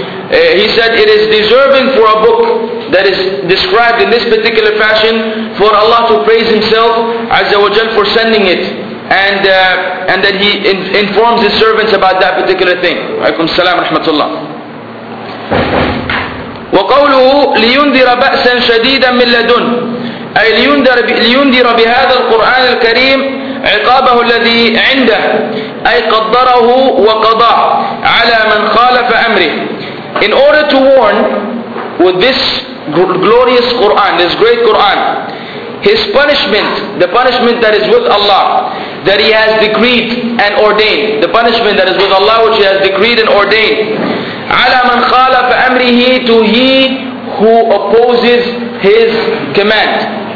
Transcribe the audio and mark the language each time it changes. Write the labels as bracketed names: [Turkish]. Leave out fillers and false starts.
[English] He said, it is deserving for a book that is described in this particular fashion for Allah to praise Himself [Arabic] عز وجل [English] for sending it, and that He informs His servants about that particular thing. [Arabic] عليكم السلام ورحمة الله. وقوله لينذر بأسا شديدا من لدن, أي لينذر بهذا القرآن الكريم عقابه الذي عنده, أي قدره وقضى على من خالف أمره. [English] In order to warn with this glorious Quran, this great Quran, his punishment, the punishment that is with Allah, that he has decreed and ordained, the punishment that is with Allah which he has decreed and ordained, [Arabic] على من خالف أمره, [English] to he who opposes his command.